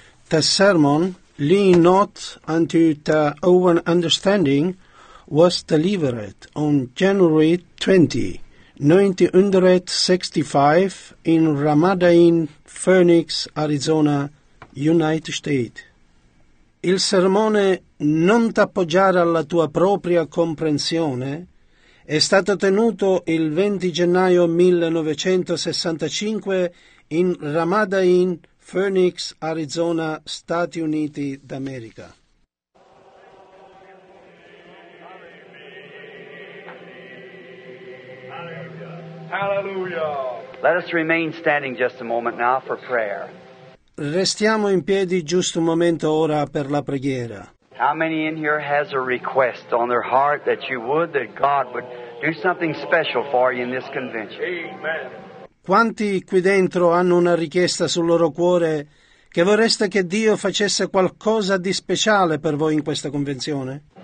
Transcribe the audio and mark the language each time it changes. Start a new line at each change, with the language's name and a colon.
English: The sermon, "Lean Not Unto Thy Own Understanding," was delivered on January 20, 1965 in Ramada in Phoenix, Arizona, United States.
Italian: Il sermone "Non t'appoggiare alla tua propria comprensione" è stato tenuto il 20 gennaio 1965 in Ramada in Phoenix, Arizona, Stati Uniti d'America.
English: Hallelujah. Let us remain standing just a moment now for prayer.
Italian: Restiamo in piedi giusto un momento ora per la preghiera.
English: How many in here has a request on their heart that you would, that God would do something special for you in this convention? Amen.
Italian: Quanti qui dentro hanno una richiesta sul loro cuore che vorreste che Dio facesse qualcosa di speciale per voi in questa convenzione?